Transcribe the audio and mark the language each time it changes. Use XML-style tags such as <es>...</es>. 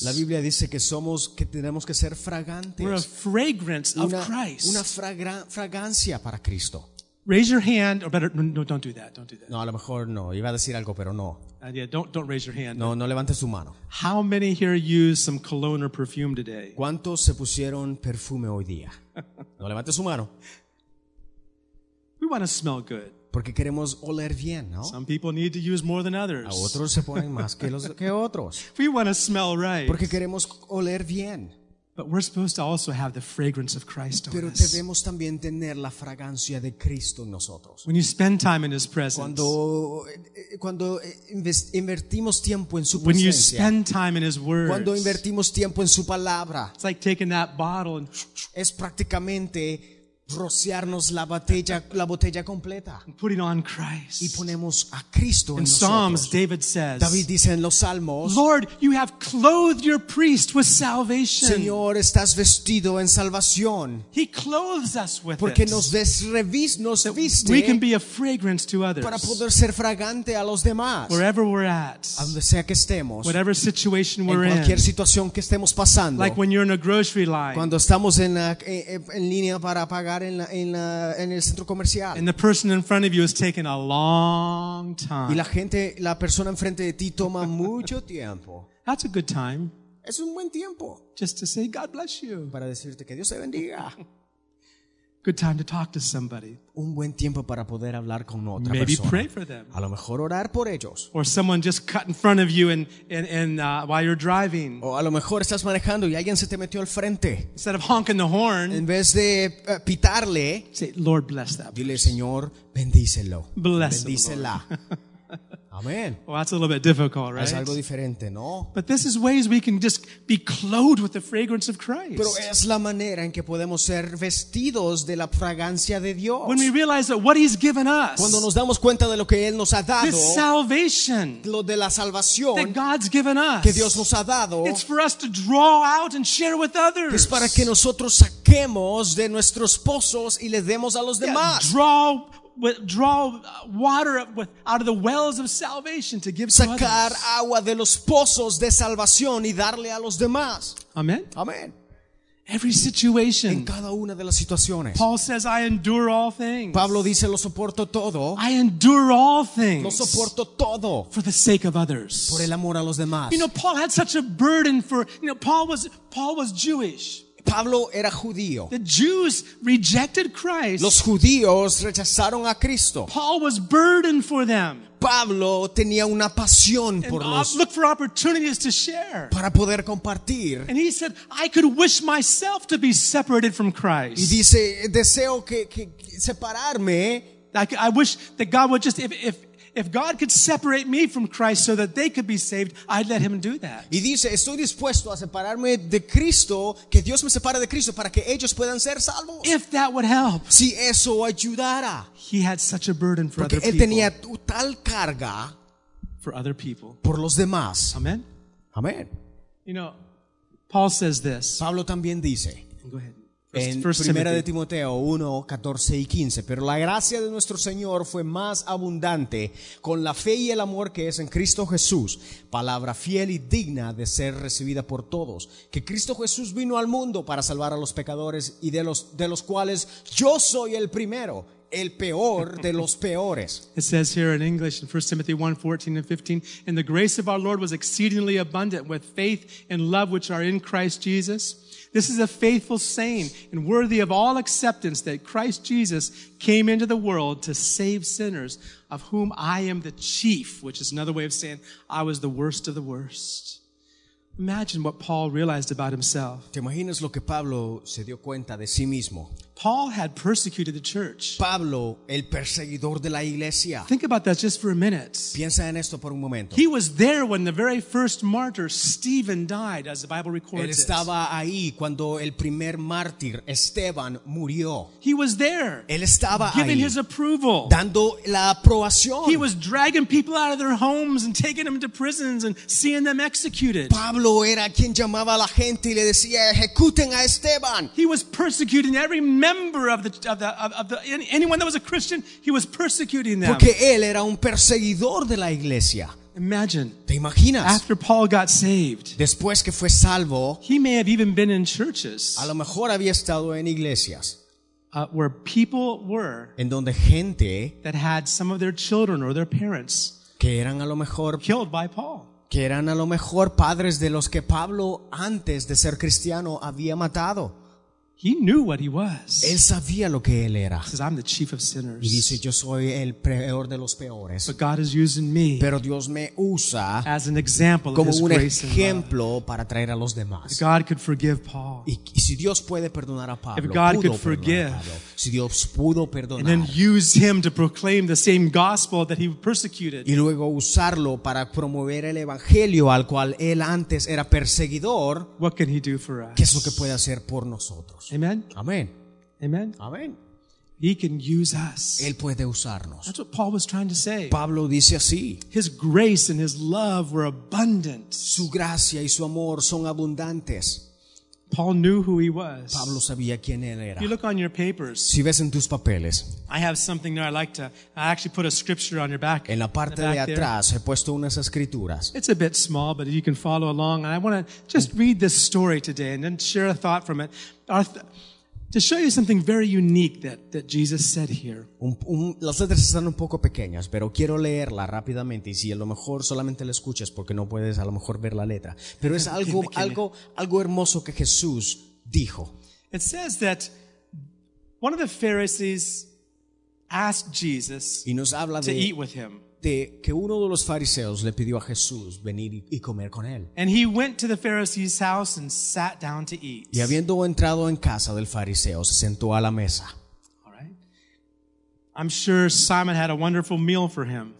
<es>La Biblia dice que somos que tenemos que ser fragantes.</es> <en>We're a fragrance of Christ.</en> <es>Una fragancia para Cristo.</es> <en>Raise your hand, or better, no, don't do that. Don't do that.</en> <es>No, a lo mejor no. Iba a decir algo, pero no.</es> <en>Yeah, don't raise your hand.</en> <es>No, no levantes su mano.</es> <en>How many here use some cologne or perfume today?</en> <es>¿Cuántos se pusieron perfume hoy día? No levantes su mano.</es> <en>We want to smell good.</en> <es>Porque queremos oler bien, ¿no?</es> <en>Some people need to use more than others.</en> <es>A otros se ponen más que los que otros.</es> <en>We want to smell right.</en> <es>Porque queremos oler bien.</es> <en>But we're supposed to also have the fragrance of Christ on us.</en> <es>Pero debemos también tener la fragancia de Cristo en nosotros.</es> <en>When you spend time in His presence.</en> <es>Cuando invertimos tiempo en su presencia.</es> <en>When you spend time in His words.</en> <es>Cuando invertimos tiempo en su palabra.</es> <en>It's like taking that bottle and.</en> <es>Es prácticamente rociarnos la botella completa.</es> <en>And putting on Christ.</en> <es>Y ponemos a Cristo en nosotros.</es> <en>In Psalms, David says.</en> <es>David dice en los Salmos.</es> <en>Lord, you have clothed your priest with salvation.</en> <es>Señor, estás vestido en salvación.</es> <en>He clothes us with</en> <es>Porque</es> <en>it.</en> <es>Porque nos viste.</es> <en>We can be a fragrance to others.</en> <es>Para poder ser fragante a los demás.</es> <en>Wherever we're at.</en> <es>A donde sea que estemos.</es> <en>Whatever situation we're in.</en> <es>En cualquier situación que estemos pasando.</es> <en>Like when you're in a grocery line.</en> <es>Cuando estamos en línea para pagar. En el centro comercial.</es> <en>And the person in front of you is taking a long time.</en> <es>Y la persona enfrente de ti toma mucho tiempo.</es> <en>That's a good time.</en> <es>Es un buen tiempo.</es> <en>Just to say God bless you.</en> <es>Para decirte que Dios te bendiga.</es> <en>Good time to talk to somebody.</en> <es>Un buen tiempo para poder hablar con otra</es> <en>Maybe</en> <es>persona.</es> <en>Pray for them.</en> <es>A lo mejor orar por ellos.</es> <en>Or someone just cut in front of you and while you're driving.</en> <es>O a lo mejor estás manejando y alguien se te metió al frente.</es> <en>Instead of honking the horn.</en> <es>En vez de pitarle.</es> <en>Say, Lord bless that.</en> <es>Dile, Señor, bendícelo.</es> <en>Bless</en> <es>Bendícela. Amen.</es> <en>Well, that's a little bit difficult, right?</en> <es>Es algo diferente, ¿no?</es> <en>But this is ways we can just be clothed with the fragrance of Christ.</en> <es>Pero es la manera en que podemos ser vestidos de la fragancia de Dios.</es> <en>When we realize that what He's given us.</en> <es>Cuando nos damos cuenta de lo que Él nos ha dado.</es> <en>This salvation.</en> <es>Lo de la salvación.</es> <en>That God's given us.</en> <es>Que Dios nos ha dado.</es> <en>It's for us to draw out and share with others.</en> <es>Es para que nosotros saquemos de nuestros pozos y le demos a los demás.</es> <en>Yeah, draw water out of the wells of salvation to give to others.</en> <es>Sacar agua de los pozos de salvación y darle a los demás.</es> <en>Amen.</en> <es>Amen.</es> <en>Every situation.</en> <es>En cada una de las situaciones.</es> <en>Paul says, "I endure all things."</en> <es>Pablo dice, "Lo soporto todo."</es> <en>I endure all things.</en> <es>Lo soporto todo.</es> <en>For the sake of others.</en> <es>Por el amor a los demás.</es> <en>You know, Paul had such a burden for. You know, Paul was Jewish.</en> <es>Pablo era judío.</es> <en>The Jews rejected Christ.</en> <es>Los judíos rechazaron a Cristo.</es> <en>Paul was burdened for them.</en> <es>Pablo tenía una pasión</es> <en>and</en> <es>por los</es> <en>look for opportunities to share.</en> <es>Para poder compartir.</es> <en>And he said, I could wish myself to be separated from Christ.</en> <es>Y dice, deseo que separarme.</es> <en>I wish that God would just if God could separate me from Christ so that they could be saved, I'd let Him do that.</en> <es>Y dice, estoy dispuesto a separarme de Cristo, que Dios me separe de Cristo para que ellos puedan ser salvos.</es> <en>If that would help.</en> <es>Si eso ayudara.</es> <en>He had such a burden for</en> <es>Porque</es> <en>other</en> <es>él</es> <en>people.</en> <es>Tenía tal carga</es> <en>for other people.</en> <es>Por los demás.</es> <en>Amen.</en> <es>Amen.</es> <en>You know, Paul says this.</en> <es>Pablo también dice.</es> <en>Go ahead.</en> <es>En 1 de Timoteo 1, 14 y 15. Pero la gracia de nuestro Señor fue más abundante con la fe y el amor que es en Cristo Jesús. Palabra fiel y digna de ser recibida por todos. Que Cristo Jesús vino al mundo para salvar a los pecadores y de los cuales yo soy el primero, el peor de los peores.</es> <en>It says here in English in 1 Timothy 1, 14 and 15. And the grace of our Lord was exceedingly abundant with faith and love which are in Christ Jesus. This is a faithful saying and worthy of all acceptance that Christ Jesus came into the world to save sinners, of whom I am the chief, which is another way of saying I was the worst of the worst. Imagine what Paul realized about himself.</en> <es>¿Te imaginas lo que Pablo se dio cuenta de sí mismo?</es> <en>Paul had persecuted the church.</en> <es>Pablo, el perseguidor de la iglesia.</es> <en>Think about that just for a minute.</en> <es>Piensa en esto por un momento.</es> <en>He was there when the very first martyr, Stephen, died, as the Bible records it.</en> <es>Él estaba ahí cuando el primer mártir, Esteban, murió.</es> <en>He was there.</en> <es>Él estaba ahí.</es> <en>Giving his approval.</en> <es>Dando la aprobación.</es> <en>He was dragging people out of their homes and taking them to prisons and seeing them executed.</en> <es>Pablo era quien llamaba a la gente y le decía, ejecuten a Esteban.</es> <en>He was persecuting every member of the anyone that was a Christian, he was persecuting them.</en> <es>Porque él era un perseguidor de la iglesia.</es> <en>Imagine.</en> <es>¿Te imaginas?</es> <en>After Paul got saved.</en> <es>Después que fue salvo.</es> <en>He may have even been in churches.</en> <es>A lo mejor había estado en iglesias.</es> <en>Where people were.</en> <es>En donde gente.</es> <en>That had some of their children or their parents.</en> <es>Que eran a lo mejor.</es> <en>Killed by Paul.</en> <es>Que eran a lo mejor padres de los que Pablo antes de ser cristiano había matado.</es> <en>He knew what he was.</en> <es>Él sabía lo que él era.</es> <en>He says, I'm the chief of sinners.</en> <es>Y dice, yo soy el peor de los peores.</es> <en>But God is using me.</en> <es>Pero Dios me usa</es> <en>as an example</en> <es>como</es> <en>of his</en> <es>un</es> <en>grace</en> <es>ejemplo</es> <en>and love.</en> <es>Para traer a los demás.</es> <en>If God could forgive Paul.</en> <es>Y si Dios puede perdonar a Pablo,</es> <en>if God</en> <es>pudo</es> <en>could forgive,</en> <es>a Pablo, si Dios pudo perdonar,</es> <en>and then use him to proclaim the same gospel that he persecuted.</en> <es>Y luego usarlo para promover el evangelio al cual él antes era perseguidor.</es> <en>What can he do for us?</en> <es>¿Qué es lo que puede hacer por nosotros?</es> <en>Amen.</en> <es>Amen.</es> <en>Amen.</en> <es>Amen.</es> <en>He can use us.</en> <es>Él puede usarnos.</es> <en>That's what Paul was trying to say.</en> <es>Pablo dice así.</es> <en>His grace and his love were abundant.</en> <es>Su gracia y su amor son abundantes.</es> <en>Paul knew who he was.</en> <es>Pablo sabía quién él era.</es> <en>If you look on your papers.</en> <es>Si ves en tus papeles.</es> <en>I have something there. I actually put a scripture on your back.</en> <es>En la parte de atrás he puesto unas escrituras.</es> <en>It's a bit small, but you can follow along. And I want to just read this story today and then share a thought from it. To show you something very unique that Jesus said here.</en> <es>Las letras están un poco pequeñas, pero quiero leerla rápidamente. Y si a lo mejor solamente la escuchas, porque no puedes a lo mejor ver la letra. Pero es algo hermoso que Jesús dijo.</es> <en>It says that one of the Pharisees asked Jesus</en> <es>y nos habla</es> <en>to eat with him.</en> <es>De que uno de los fariseos le pidió a Jesús venir y comer con él.</es> <en>And he went to the Pharisee's house and sat down to eat.</en> <es>Y habiendo entrado en casa del fariseo, se sentó a la mesa.</es> <en>All right. I'm sure Simon had a wonderful meal for him.</en>